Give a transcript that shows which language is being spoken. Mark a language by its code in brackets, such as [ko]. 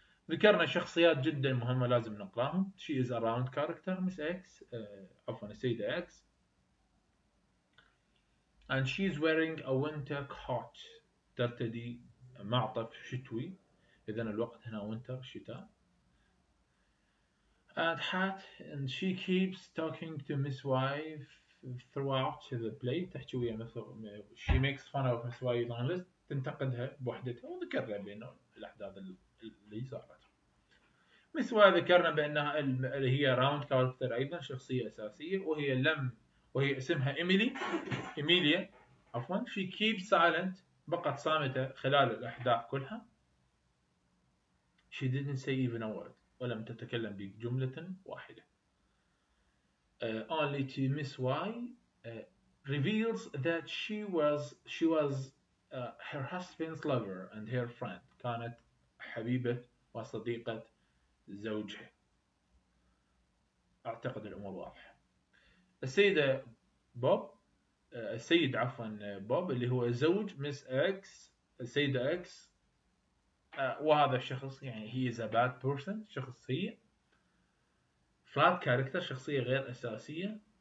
[ar] ذكرنا شخصيات جدا مهمة لازم نقراهم، [en] she is around character miss x [ar] عفوا السيدة x [en] and she is wearing a winter coat، [ar] ترتدي معطف شتوي، إذن الوقت هنا وينتر شتاء. [en] And hat and she keeps talking to Miss Y throughout the play، [ar] تحكي ويا مثل [en] she makes fun of Miss Y loneliness، [ar] تنتقدها بوحدتها وذكرنا بأنه الأحداث اللي صارت. Miss Y ذكرنا بأنها اللي هي [en] round character [ar] أيضا، شخصية أساسية، وهي لم وهي اسمها إيميلي إيميليا عفوا، [en] she keeps silent، [ar] بقت صامتة خلال الأحداث كلها. [en] She didn't say even a word، [ar] ولم تتكلم بجملة واحدة. [en] Only to Miss Y reveals that she was her husband's lover and her friend، [ar] كانت حبيبة وصديقة زوجها. أعتقد الأمور واضحة. السيدة بوب السيد عفوا بوب اللي هو زوج Miss X السيدة X، وهذا الشخص يعني [en] he is a bad person، [ar] شخصية [en] flat character، [ar] شخصية غير أساسية.